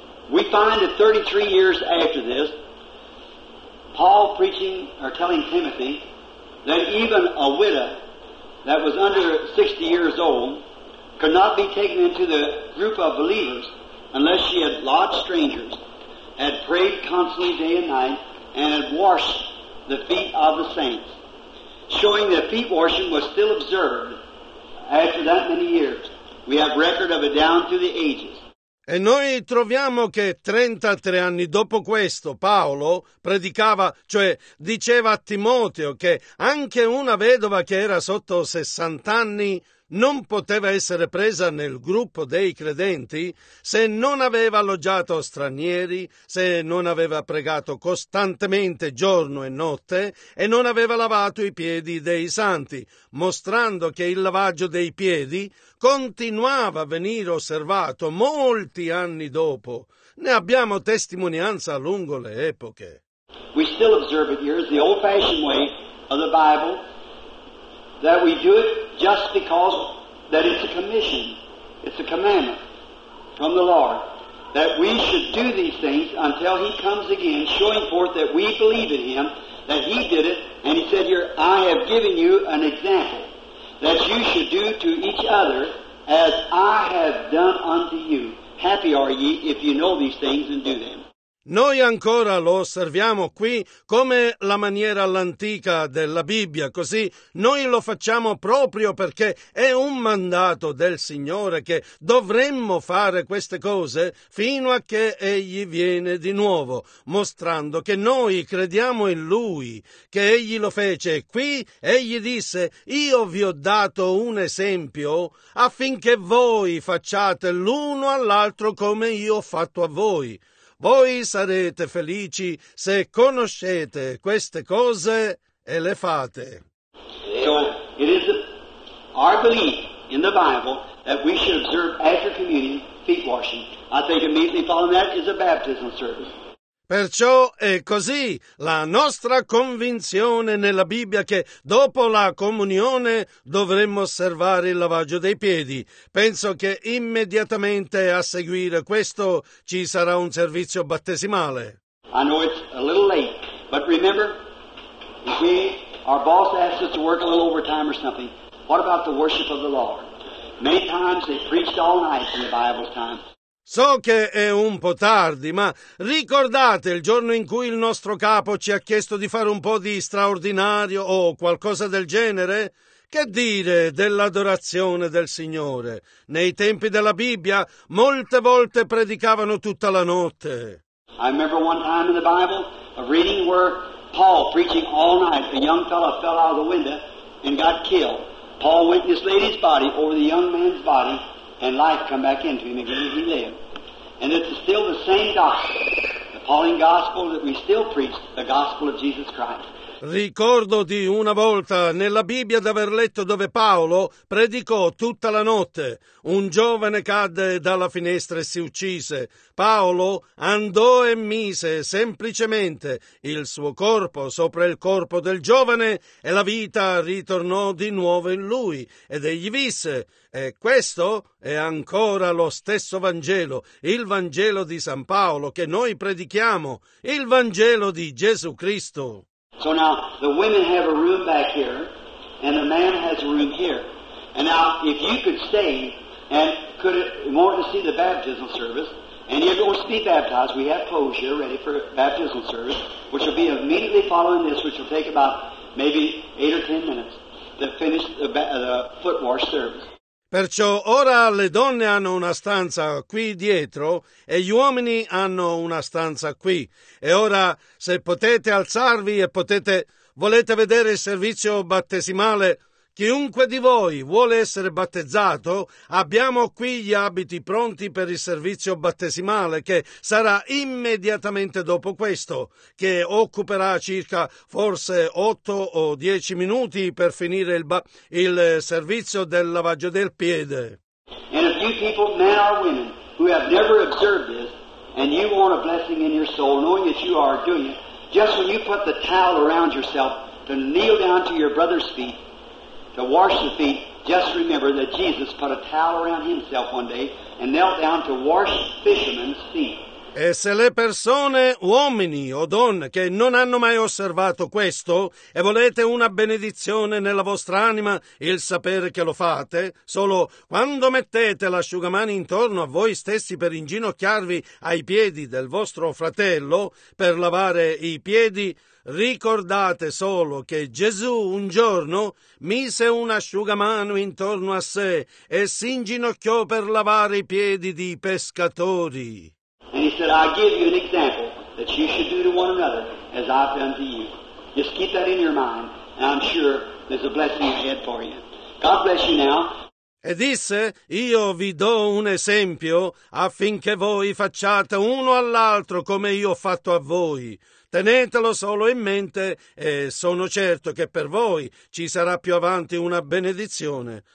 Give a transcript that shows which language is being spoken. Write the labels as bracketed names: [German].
[English] We find that 33 years after this, Paul preaching or telling Timothy that even a widow that was under 60 years old could not be taken into the group of believers unless she had lodged strangers, had prayed constantly day and night, and had washed the feet of the saints, showing that feet washing was still observed after that many years. We have record of it down through the ages. [Italian] E noi troviamo che 33 anni dopo questo Paolo predicava, cioè diceva a Timoteo che anche una vedova che era sotto 60 anni non poteva essere presa nel gruppo dei credenti se non aveva alloggiato stranieri, se non aveva pregato costantemente giorno e notte e non aveva lavato i piedi dei santi, mostrando che il lavaggio dei piedi continuava a venire osservato molti anni dopo. Ne abbiamo testimonianza lungo le epoche. [English] We still observe it here, the old-fashioned way of the Bible, that we do it just because that it's a commission, it's a commandment from the Lord, that we should do these things until he comes again, showing forth that we believe in him, that he did it, and he said here, I have given you an example that you should do to each other as I have done unto you. Happy are ye if you know these things and do them. [Italian] Noi ancora lo osserviamo qui come la maniera all'antica della Bibbia, così noi lo facciamo proprio perché è un mandato del Signore che dovremmo fare queste cose fino a che Egli viene di nuovo, mostrando che noi crediamo in Lui, che Egli lo fece. Qui Egli disse, io vi ho dato un esempio affinché voi facciate l'uno all'altro come io ho fatto a voi. Voi sarete felici se conoscete queste cose e le fate. [English] So it is our belief in the Bible that we should observe after communion feet washing. I think immediately following that is a baptism service. [Italian] Perciò è così la nostra convinzione nella Bibbia che dopo la comunione dovremmo osservare il lavaggio dei piedi. Penso che immediatamente a seguire questo ci sarà un servizio battesimale. [English] I know it's a little late, but remember, if we, our boss asks us to work a little overtime or something, what about the worship of the Lord? Many times they preached all night in the Bible's time. [Italian] So che è un po' tardi, ma ricordate il giorno in cui il nostro capo ci ha chiesto di fare un po' di straordinario o qualcosa del genere? Che dire dell'adorazione del Signore? Nei tempi della Bibbia molte volte predicavano tutta la notte. [English] I remember one time in the Bible a reading where Paul preaching all night, a young fellow fell out of the window and got killed. Paul went and slayed his body over the young man's body. And life come back into him again as he lived. And it's still the same gospel, the Pauline gospel that we still preach, the gospel of Jesus Christ. [Italian] Ricordo di una volta nella Bibbia d'aver letto dove Paolo predicò tutta la notte. Un giovane cadde dalla finestra e si uccise. Paolo andò e mise semplicemente il suo corpo sopra il corpo del giovane e la vita ritornò di nuovo in lui. Ed egli visse, e questo è ancora lo stesso Vangelo, il Vangelo di San Paolo che noi predichiamo, il Vangelo di Gesù Cristo. [English] So now the women have a room back here, and the man has a room here. And now, if you could stay and could want to see the baptismal service, and you're going to be baptized, we have clothes here ready for baptismal service, which will be immediately following this, which will take about maybe 8 or 10 minutes to finish the foot wash service. [Italian] Perciò ora le donne hanno una stanza qui dietro e gli uomini hanno una stanza qui. E ora se potete alzarvi e potete, volete vedere il servizio battesimale, chiunque di voi vuole essere battezzato, abbiamo qui gli abiti pronti per il servizio battesimale che sarà immediatamente dopo questo, che occuperà circa forse 8 o 10 minuti per finire il servizio del lavaggio del piede. [English] And if you people, men or women, who have never observed this, and you want a blessing in your soul, knowing that you are doing it, just when you put the towel around yourself to kneel down to your brother's feet, to wash the feet, just remember that Jesus put a towel around himself one day and knelt down to wash fishermen's feet. [Italian] E se le persone, uomini o donne, che non hanno mai osservato questo e volete una benedizione nella vostra anima, il sapere che lo fate, solo quando mettete l'asciugamani intorno a voi stessi per inginocchiarvi ai piedi del vostro fratello per lavare i piedi, ricordate solo che Gesù un giorno mise un asciugamano intorno a sé e si inginocchiò per lavare i piedi di pescatori. [English] And he said, I give you an example that you should do to one another as I've done to you. Just keep that in your mind, and I'm sure there's a blessing ahead for you. God bless you now. [Italian] E disse, io vi do un esempio affinché voi facciate uno all'altro come io ho fatto a voi. Tenetelo solo in mente e sono certo che per voi ci sarà più avanti una benedizione.